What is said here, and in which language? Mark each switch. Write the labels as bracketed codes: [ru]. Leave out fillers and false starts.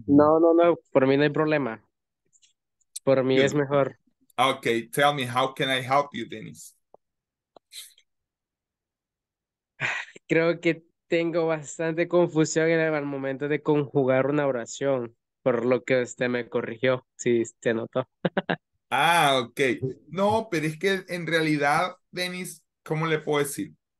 [es] No, no, no, por mí no hay problema. Por mí es [en] Good. [es] mejor. [en] Okay, tell me, how can I help you, Dennis? [es] Creo que tengo bastante confusión en el momento de conjugar una oración, por lo que usted me corrigió, si usted notó. [en] Ah, okay. [es] No, pero es que en realidad, Denis, ¿cómo le puedo decir?